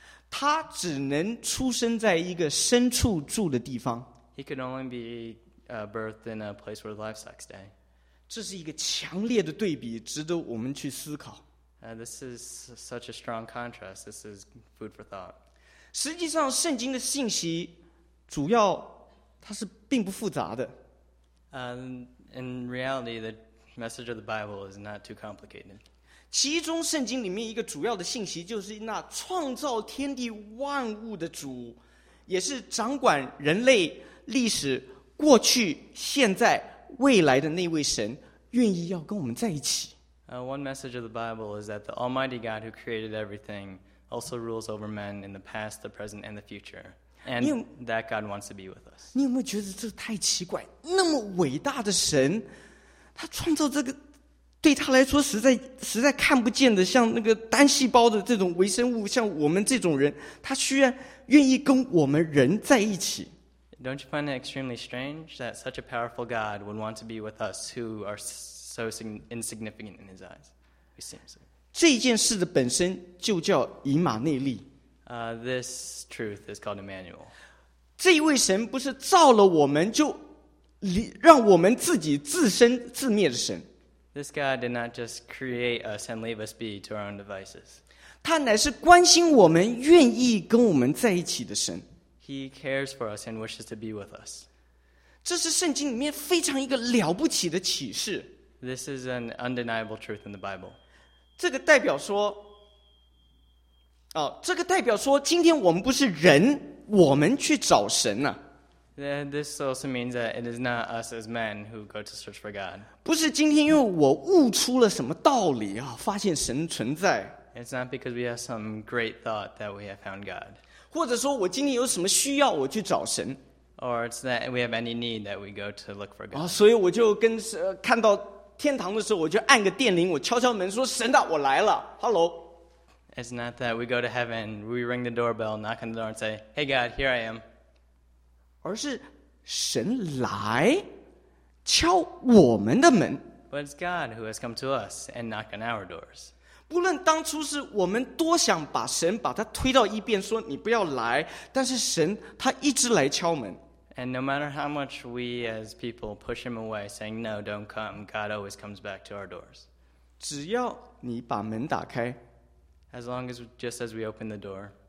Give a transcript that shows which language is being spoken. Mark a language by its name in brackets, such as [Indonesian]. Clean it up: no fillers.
[Chinese] 他只能出生在一个牲畜住的地方。 [English] He could only be birthed in a place where livestock stay. [Chinese] 这是一个强烈的对比，值得我们去思考。 [English] This is such a strong contrast. This is food for thought. [Chinese] 实际上，圣经的信息主要它是并不复杂的。 [English] In reality, the message of the Bible is not too complicated. [Chinese] 其中圣经里面一个主要的信息就是那创造天地万物的主，也是掌管人类历史过去、现在、未来的那位神，愿意要跟我们在一起。 [English] One message of the Bible is that the Almighty God who created everything also rules over men in the past, the present, and the future. And that God wants to be with us. [Chinese] 你有没有觉得这太奇怪？那么伟大的神，他创造这个，对他来说实在看不见的，像那个单细胞的这种微生物，像我们这种人，他居然愿意跟我们人在一起。 [English] Don't you find it extremely strange that such a powerful God would want to be with us who are so insignificant in his eyes? It seems. [Chinese] 这件事的本身就叫以马内利。 [English] This truth is called Emmanuel. [Chinese] 这一位神不是造了我们就让我们自己自生自灭的神。 [English] This God did not just create us and leave us be to our own devices. [Chinese] 他乃是关心我们愿意跟我们在一起的神。 [English] He cares for us and wishes to be with us. [Chinese] 这是圣经里面非常一个了不起的启示。 [English] This is an undeniable truth in the Bible. [Chinese] 这个代表说这个代表说今天我们不是人，我们去找神啊。 [English] This also means that it is not us as men who go to search for God. [Chinese] 不是今天因为我悟出了什么道理啊，发现神存在。 [English] It's not because we have some great thought that we have found God. [Chinese] 或者说我今天有什么需要我去找神。 [English] Or it's that we have any need that we go to look for God. [Chinese] 所以我就跟看到天堂的时候，我就按个电铃，我敲敲门说神啊，我来了 ，Hello。 [English] It's not that we go to heaven, we ring the doorbell, knock on the door and say, Hey God, here I am. [Chinese] 而是神来敲我们的门。 [English] But it's God who has come to us and knocked on our doors. [Chinese] 不论当初是我们多想把神把他推到一边说你不要来，但是神他一直来敲门。 [English] And no matter how much we as people push him away saying, No, don't come, God always comes back to our doors. [Chinese] 只要你把门打开， [English] As long as, just as we open the door,